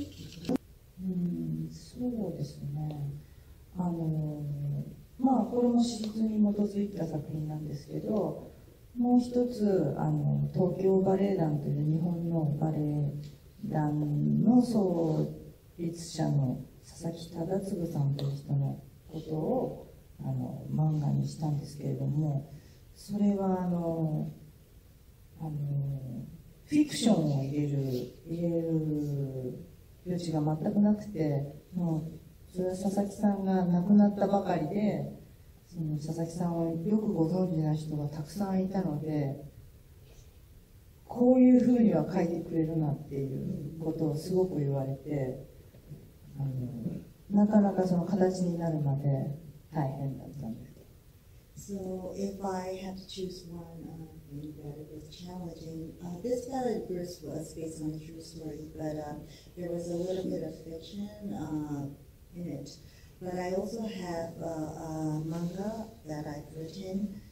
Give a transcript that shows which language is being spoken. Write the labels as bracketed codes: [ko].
[en] Is there a work that was the most challenging? [ja] これも史実に基づいた作品なんですけど、もう一つ東京バレエ団という日本のバレエ団の創立者の佐々木忠次さんという人のことを漫画にしたんですけれども、それはフィクションを入れる余地が全くなくて、もうそれは佐々木さんが亡くなったばかりで、その佐々木さんをよくご存知な人がたくさんいたので、こういうふうには書いてくれるなっていうことをすごく言われて、なかなかその形になるまで大変だったんです。 [en] So if I had to choose one thing that it was challenging, this ballet verse was based on a true story, but there was a little bit of fiction in it. But I also have a manga that I've written.